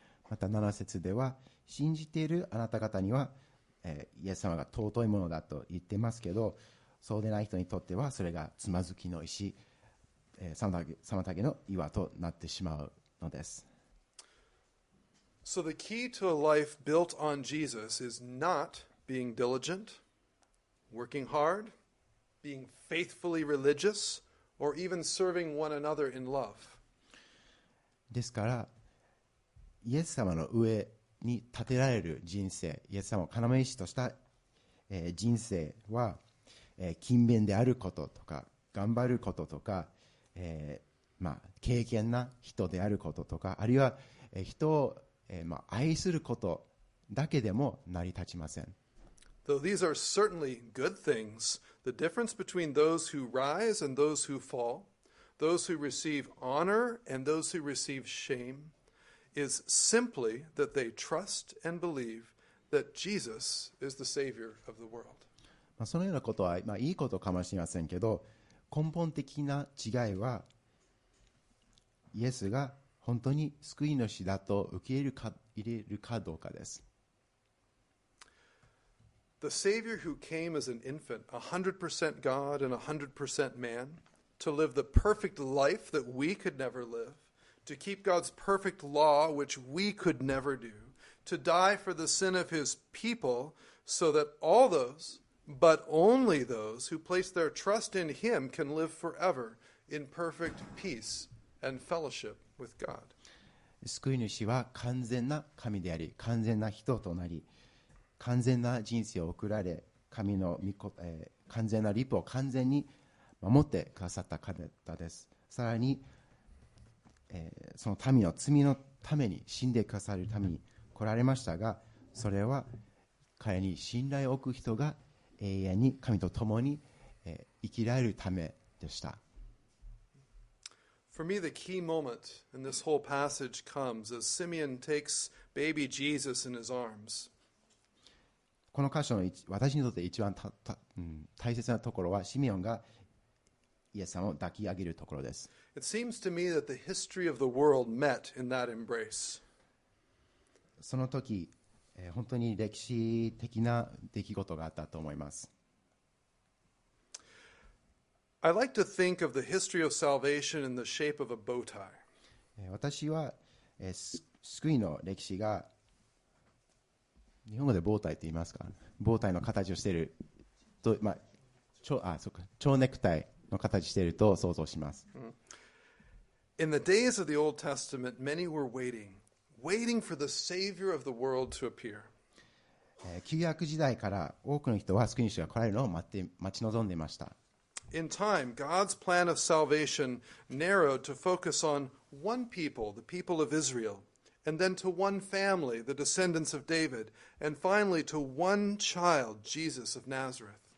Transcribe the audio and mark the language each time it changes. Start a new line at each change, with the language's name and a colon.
Japanese: また7節では、信じているあなた方には、イエス様が尊いものだと言ってますけど、そうでない人にとってはそれがつまずきの石、妨げの岩となってしまうのです。
English: So the key to a life built on Jesus is not being diligent, working hard, being faithfully religious, or even serving one another in love.
Japanese: ですから、イエス様の上に立てられる人生、イエス様を要石とした、人生は、勤勉であることとか、頑張ることとか、敬虔な人であることとか、あるいは、人を、愛することだけでも成り立ちません。
English: Though these are certainly good things, the difference between those who rise and those who fall, those who receive honor and those who receive shame, is simply that they trust and believe that Jesus is the Savior of the world.
Japanese: そのようなことは、いいことかもしれませんけど、根本的な違いはイエスが本当に救い主だと受け入れるかどうかです。
English: The Savior who came as an infant, 100% God and 100% man, to live the perfect life that we could never live, to keep God's perfect law which we could never do, to die for the sin of his people so that all those... But only those who place their trust in him can live forever in perfect peace and fellowship with God.
Japanese: 救い主は完全な神であり、完全な人となり、完全な人生を送られ、神の御子、完全な律法を完全に守ってくださった方です。さらに、その民の罪のために死んでくださるために来られましたが、それは彼に信頼を置く人が永遠に神と共に生きられるためでした。
English: For me, the key moment in this whole passage comes as Simeon takes baby Jesus in his arms.
Japanese: この箇所の私にとって一番大切なところは、シメオンがイエス様を抱き上げるところです。
English: It seems to me that the history of the world met in that embrace.
Japanese: その時、本当に歴史的な出来事があったと思います。
English: I like to think of the history of salvation in the shape of a bow tie.
Japanese: 私は、救いの歴史が日本語でボウタイと言いますか、ボウタイの形をしていると、まあ、蝶ネクタイの形をしていると想像します。
English: In the days of the Old Testament, many were waiting, waiting for the Savior of the world to appear.
Japanese: 旧約時代から多くの人は救い主が来られるのを待ち望んでいました。
English: In time, God's plan of salvation narrowed to focus on one people, the people of Israel, and then to one family, the descendants of David, and finally to one child, Jesus of Nazareth.